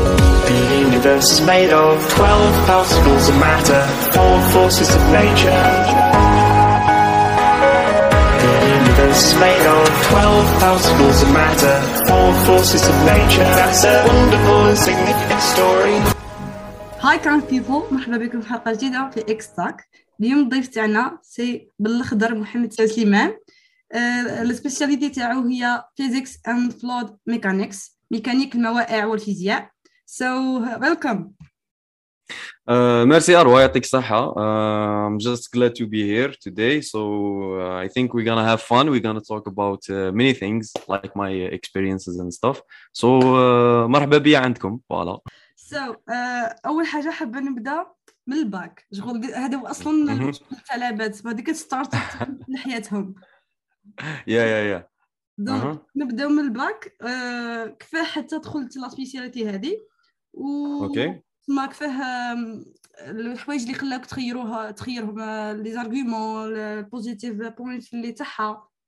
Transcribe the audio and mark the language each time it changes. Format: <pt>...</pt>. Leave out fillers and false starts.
<en>The universe is made of 12 particles of matter, 4 forces of nature. The universe is made of 12 particles of matter, 4 forces of nature. That's a wonderful and significant story. Hi, current people.</en> <ar>مرحبا بكم في حلقة جديدة في X-Talk. اليوم ضيفتي عنا سي بالأخضر محمد سليمان. السبيشاليتي تاعو هي</ar> <en>Physics and Fluid Mechanics,</en> <ar>ميكانيك الموائع والفيزياء.</ar> <en>So welcome.</en> <ar>Merci Arwa, yatik saha.</ar> <en>I'm just glad to be here today. So I think we're gonna have fun. We're gonna talk about many things like my experiences and stuff.</en> <ar>So marhaba bi عندكم.</ar> <fr>Voilà.</fr> <ar>So اول حاجه حابه نبدا من الباك. شغل هذا اصلا تاع لعبات هذيك ستارت لحياتهم.</ar> <en>Yeah.</en> <ar>دونك نبداو من الباك. كيفاه حتى دخلت لا سبيسياليتي هذه و ما كفاه الحوايج اللي خلاك تخيروها تخيرهم لي زارغومون البوزيتيف بوينت اللي تاعها.</ar>